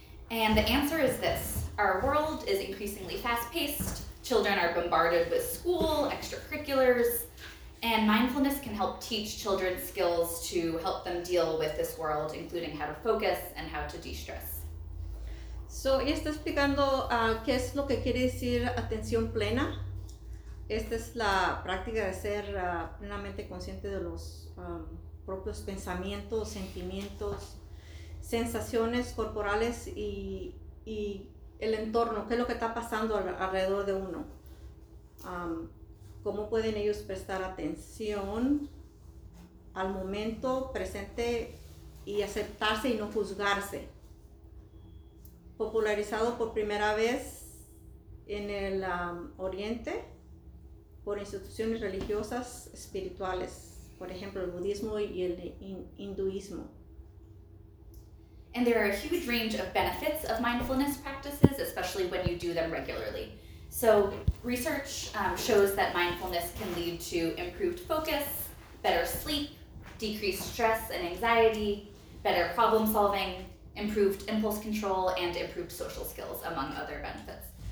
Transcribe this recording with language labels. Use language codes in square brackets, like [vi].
[en] And the answer is this. Our world is increasingly fast-paced. Children are bombarded with school, extracurriculars, and mindfulness can help teach children skills to help them deal with this world, including how to focus and how to de-stress. [es] So, ella está explicando qué es lo que quiere decir atención plena. Esta es la práctica de ser plenamente consciente de los propios pensamientos, sentimientos, sensaciones corporales y el entorno, qué es lo que está pasando alrededor de uno. ¿Cómo pueden ellos prestar atención al momento presente y aceptarse y no juzgarse? Popularizado por primera vez en el Oriente por instituciones religiosas espirituales, por ejemplo, el budismo y el hinduismo. [en] And there are a huge range of benefits of mindfulness practices, especially when you do them regularly. So research shows that mindfulness can lead to improved focus, better sleep, decreased stress and anxiety, better problem solving, improved impulse control, and improved social skills, among other benefits.